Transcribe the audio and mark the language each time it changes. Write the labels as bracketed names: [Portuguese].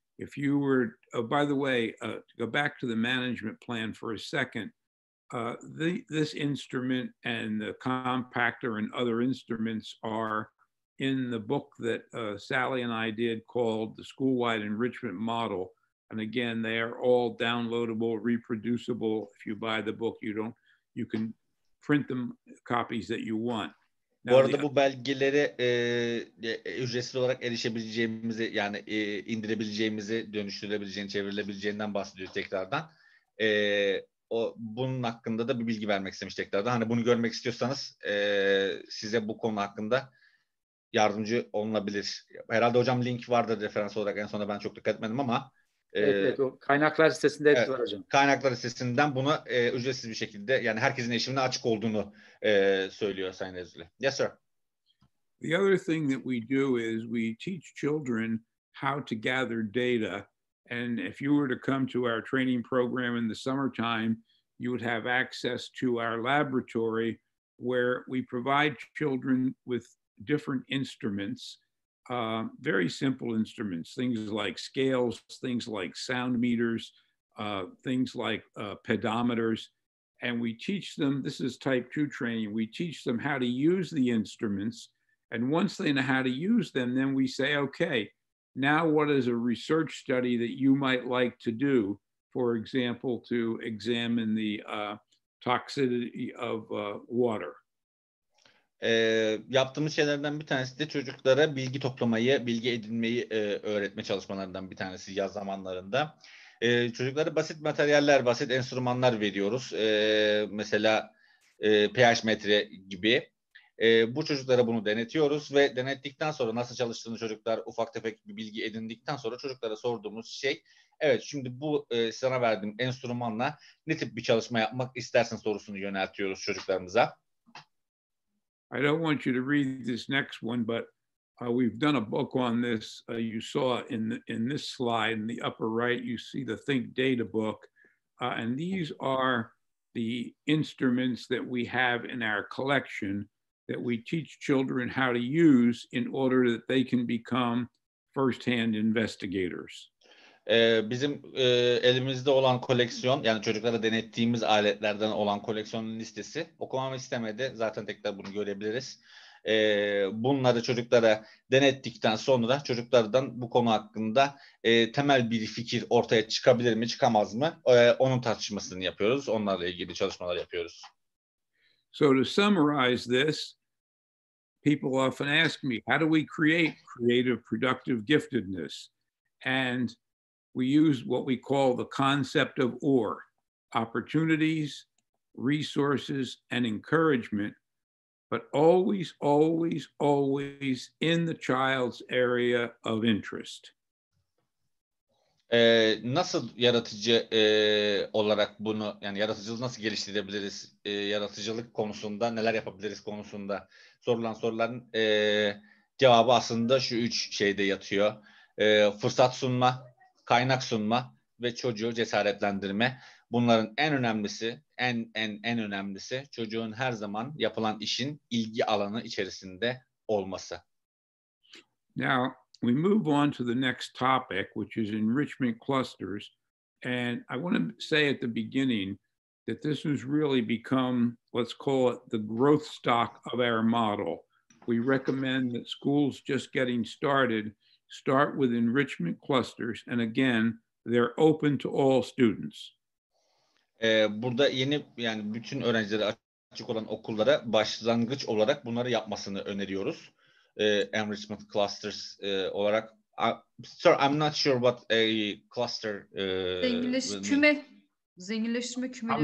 [English] If you were, by the way, to go back to the management plan for a second, this instrument and the compactor and other instruments are in the book that Sally and I did called The Schoolwide Enrichment Model. And again, they are all downloadable, reproducible. If you buy the book, you can print them copies that you want. [Turkish] Now, bu arada bu belgeleri ücretsiz olarak erişebileceğimizi, yani indirebileceğimizi, dönüştürebileceğini, çevrilebileceğinden bahsediyor tekrardan. O bunun hakkında da bir bilgi vermek istemiş tekrardan. Hani bunu görmek istiyorsanız size bu konu hakkında yardımcı olunabilir. Herhalde hocam link vardır referans olarak. En sonunda ben çok dikkat etmedim ama. Evet, kaynaklar sitesinde hepsi var hocam. Kaynaklar sitesinden bunu ücretsiz bir şekilde, yani herkesin erişimine açık olduğunu söylüyor Sayın Ezgül'e. [English] Yes, sir. The other thing that we do is we teach children how to gather data. And if you were to come to our training program in the summertime, you would have access to our laboratory where we provide children with different instruments, very simple instruments, things like scales, things like sound meters, things like pedometers. And we teach them, this is type 2 training, we teach them how to use the instruments. And once they know how to use them, then we say, okay, now what is a research study that you might like to do? For example, to examine the toxicity of water. [Turkish] Yaptığımız şeylerden bir tanesi de çocuklara bilgi toplamayı, bilgi edinmeyi öğretme çalışmalarından bir tanesi yaz zamanlarında. Çocuklara basit materyaller, basit enstrümanlar veriyoruz. Mesela pH metre gibi. Bu çocuklara bunu denetiyoruz ve denettikten sonra nasıl çalıştığını çocuklar ufak tefek bir bilgi edindikten sonra çocuklara sorduğumuz şey, evet şimdi bu sana verdiğim enstrümanla ne tip bir çalışma yapmak istersin sorusunu yöneltiyoruz çocuklarımıza. [English] I don't want you to read this next one, but we've done a book on this. You saw in this slide in the upper right, you see the Think Data book. And these are the instruments that we have in our collection that we teach children how to use in order that they can become firsthand investigators. [Turkish] Bizim elimizde olan koleksiyon, yani çocuklara denettiğimiz aletlerden olan koleksiyonun listesi okumamı istemedi. Zaten tekrar bunu görebiliriz. Bunları çocuklara denettikten sonra çocuklardan bu konu hakkında temel bir fikir ortaya çıkabilir mi, çıkamaz mı? Onun tartışmasını yapıyoruz. Onlarla ilgili çalışmalar yapıyoruz. [English] So to summarize this, people often ask me, how do we create creative, productive giftedness? And we use what we call the concept of OR, opportunities, resources, and encouragement, but always, always, always in the child's area of interest. [Turkish] Nasıl yaratıcı olarak bunu, yani yaratıcılığı nasıl geliştirebiliriz, yaratıcılık konusunda neler yapabiliriz konusunda sorulan soruların cevabı aslında şu üç şeyde yatıyor. Fırsat sunma, kaynak sunma ve çocuğu cesaretlendirme. Bunların en önemlisi, en önemlisi çocuğun her zaman yapılan işin ilgi alanı içerisinde olması. [English] Now we move on to the next topic, which is enrichment clusters. And I want to say at the beginning that this has really become, let's call it the growth stock of our model. We recommend that schools just getting started start with enrichment clusters, and again, they're open to all students. [Turkish] Burada yeni, yani bütün öğrencilere açık olan okullara başlangıç olarak bunları yapmasını öneriyoruz. [English] Enrichment clusters olarak. I'm not sure what a cluster. [Turkish] Küme. Zenginleşme kümeleri.